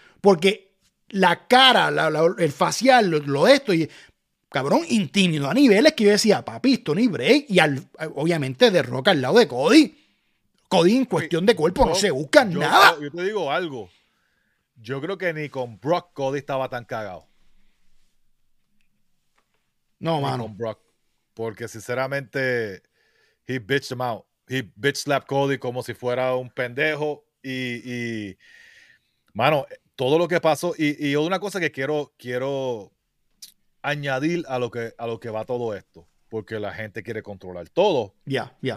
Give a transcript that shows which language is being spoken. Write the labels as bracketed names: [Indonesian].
[Spanish] Porque la cara, el facial, lo de esto, y cabrón, intimido a niveles que yo decía, papi, Tony Bray, y obviamente The Rock al lado de Cody. Cody en cuestión de cuerpo, no se busca nada. Yo te digo algo. Yo creo que ni con Brock Cody estaba tan cagado. No, ni mano. Con Brock. Porque sinceramente, [English] he bitched him out. He bitch slapped Cody [Spanish] como si fuera un pendejo. Y mano, todo lo que pasó, y una cosa que quiero añadir a lo que va todo esto, porque la gente quiere controlar todo. Ya.